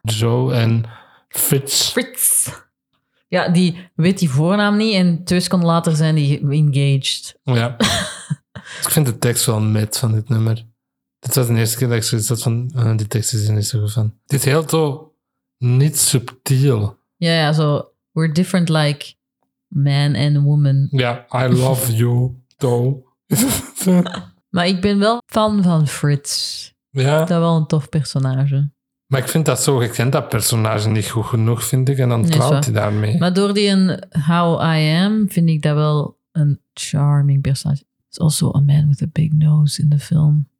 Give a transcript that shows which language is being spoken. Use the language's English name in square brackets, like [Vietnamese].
[Dutch] Joe en Fritz. Ja, die weet die voornaam niet en twee seconden later zijn die engaged. Ja. Ik vind de tekst wel met van dit nummer. Dit was de eerste keer dat ik zoiets had van, die tekst is er niet zo goed van. Dit is heel zo niet subtiel. Ja, ja, zo, [English] we're different like man and woman. Ja, I love you, though. [Dutch] Maar ik ben wel fan van Fritz. Ja. Dat is wel een tof personage. Maar ik vind dat zo, je kent dat personage niet goed genoeg, vind ik. En dan trouwt hij daarmee. Maar door die een How I Am, vind ik dat wel een charming personage. [English] It's also a man with a big nose in the film.